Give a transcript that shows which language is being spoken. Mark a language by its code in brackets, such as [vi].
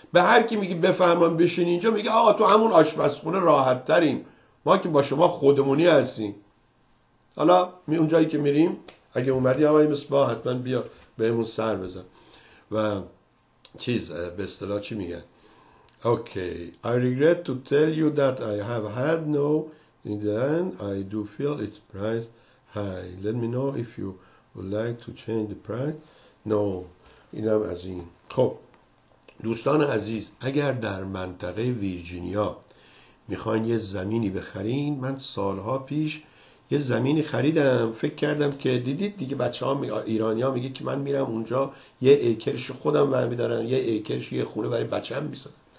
[fa] به هر کی میگی بفهمم بشین اینجا، میگه آقا تو همون آشپزخونه راحت ترین، ما که با شما خودمونی هستیم. حالا می اونجایی که میریم، اگه اومدی آقای مصباح حتما بیا بهمون سر بزن و چیز به اصطلاح چی میگن. [en] Okay okay. I regret to tell you that I have had no in the end I do feel its price high. Let me know if you would like to change the price. [fa] No. اینم از این. خب دوستان عزیز، اگر در منطقه ویرجینیا میخواین یه زمینی بخرین، من سالها پیش یه زمینی خریدم، فکر کردم که دیدید دیگه بچه ها ایرانی ها میگه که من میرم اونجا یه ایکرش خودم برمیدارم، یه ایکرش یه خونه برای بچه هم میسازم.